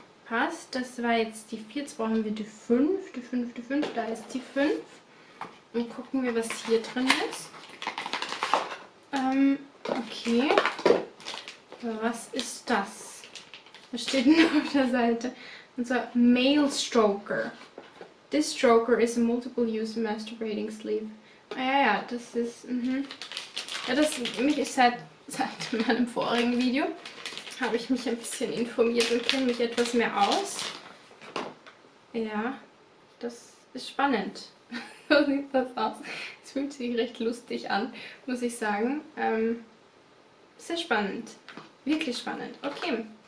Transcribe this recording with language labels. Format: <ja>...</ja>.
<de>aufgepasst. Das war jetzt die 4. Jetzt brauchen wir die 5. Die 5, die 5. Da ist die 5. Und gucken wir, was hier drin ist. Okay. Was ist das? Was steht denn auf der Seite? Und zwar Male Stroker.</de> <en>This Stroker is a multiple-use masturbating sleeve.</en> <de>Ah ja, ja, das ist. Ja, das mich ist seit meinem vorigen Video. Habe ich mich ein bisschen informiert und kenne mich etwas mehr aus. Ja, das ist spannend. So sieht das aus. Es fühlt sich recht lustig an, muss ich sagen. Sehr spannend. Wirklich spannend. Okay.</de>